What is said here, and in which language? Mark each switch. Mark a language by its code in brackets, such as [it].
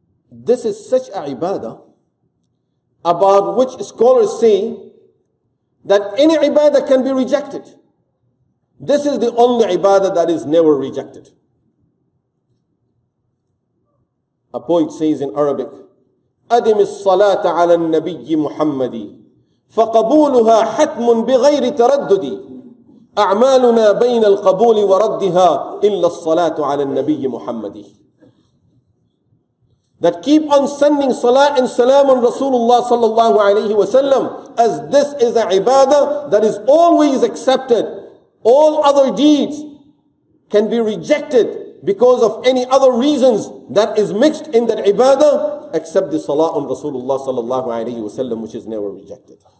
[en] This is such a ibadah about which scholars say that any ibadah can be rejected. This is the only ibadah that is never rejected. [ar] A poet says in Arabic, أدم الصلاة على النبي محمد فقبولها حتم بغير تردد أعمالنا بين القبول وردها إلا الصلاة على النبي محمد. [en] That keep on sending salah and salam on Rasulullah [ar] sallallahu alayhi wa sallam, [en] as this is a ibadah that is always accepted. All other deeds can be rejected because of any other reasons that is mixed in that ibadah, except the salah on Rasulullah [ar] sallallahu alayhi wa sallam, [en] which is never rejected.